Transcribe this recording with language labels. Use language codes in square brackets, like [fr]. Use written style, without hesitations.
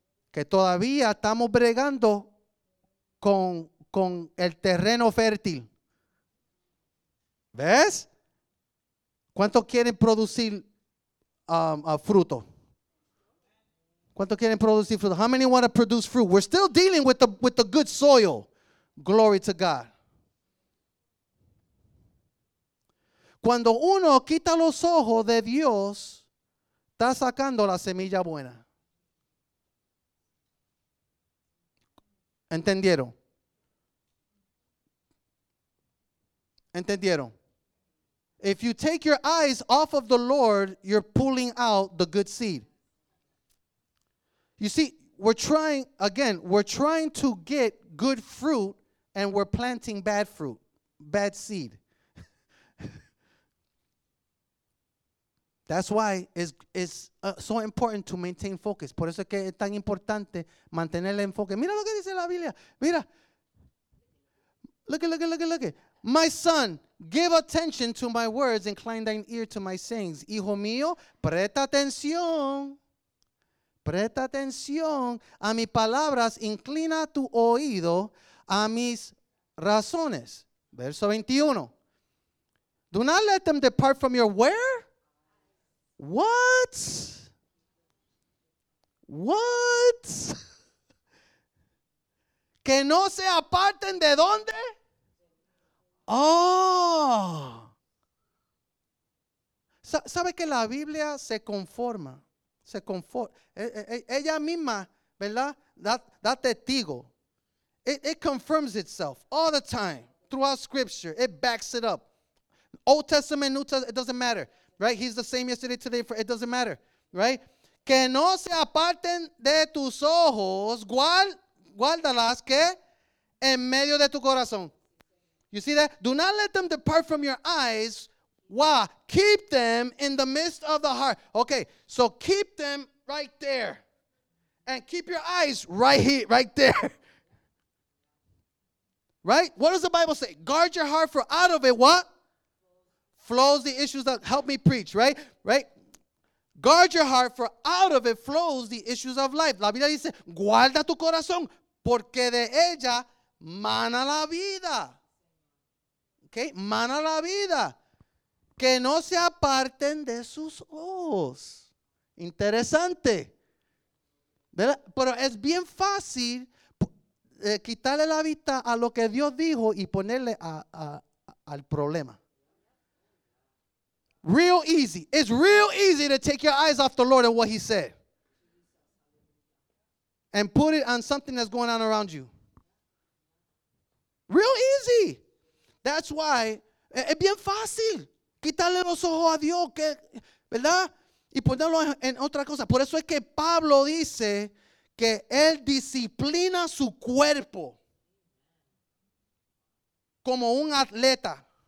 [es] Que todavía estamos bregando con el terreno fértil. ¿Ves? ¿Cuántos quieren producir fruto? ¿Cuántos quieren producir fruto? [en] How many want to produce fruit? We're still dealing with the good soil. Glory to God. [es] Cuando uno quita los ojos de Dios, está sacando la semilla buena. ¿Entendieron? ¿Entendieron? [en] If you take your eyes off of the Lord, you're pulling out the good seed. You see, we're trying to get good fruit and we're planting bad fruit, bad seed. That's why it's so important to maintain focus. [es] Por eso es que es tan importante mantener el enfoque. Mira lo que dice la Biblia. Mira. [en] Look it. My son, give attention to my words. Incline thine ear to my sayings. [es] Hijo mío, presta atención. Presta atención a mis palabras. Inclina tu oído a mis razones. Verso 21. [en] Do not let them depart from your where? What? What? [es] Que no se aparten de dónde? Oh. ¿Sabe que la Biblia se conforma? Se conforma. Ella misma, ¿verdad? Da testigo. [en] It confirms itself all the time throughout Scripture. It backs it up. Old Testament, New Testament, it doesn't matter. Right? He's the same yesterday, today, for it doesn't matter. Right? [es] Que no se aparten de tus ojos, guárdalas que en medio de tu corazón. [en] You see that? Do not let them depart from your eyes. Why? Keep them in the midst of the heart. Okay, so keep them right there. And keep your eyes right here, right there. Right? What does the Bible say? Guard your heart, for out of it, what? Flows the issues of, help me preach, right? Right? Guard your heart, for out of it flows the issues of life. [es] La Biblia dice, guarda tu corazón, porque de ella mana la vida. Okay, mana la vida. Que no se aparten de sus ojos. Interesante. ¿Verdad? Pero es bien fácil quitarle la vista a lo que Dios dijo y ponerle al problema. [en] Real easy. It's real easy to take your eyes off the Lord and what he said. And put it on something that's going on around you. Real easy. That's why [es] es bien fácil quitarle los ojos a Dios, que, ¿verdad? Y ponerlo en otra cosa. Por eso es que Pablo dice que él disciplina su cuerpo como un atleta.